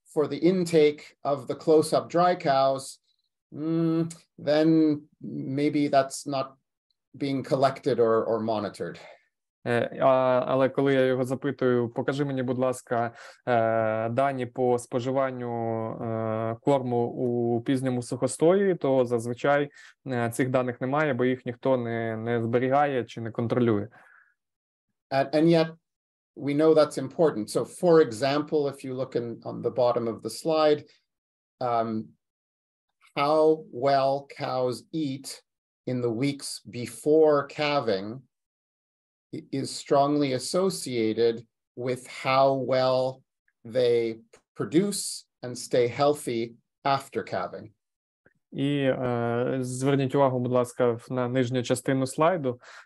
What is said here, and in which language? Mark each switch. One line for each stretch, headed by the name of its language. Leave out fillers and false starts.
English: for the intake of the close-up dry cows, then maybe that's not being collected or monitored.
Ukrainian: Але коли я його запитую, покажи мені, будь ласка, дані по споживанню корму у пізньому сухостої, то зазвичай цих даних немає, бо їх ніхто не зберігає чи не контролює.
English: And yet we know that's important. So for example, if you look in on the bottom of the slide, how well cows eat in the weeks before calving is strongly associated with how well they produce and stay healthy after calving.
Ukrainian: І зверніть увагу, будь ласка, на нижню частину слайду.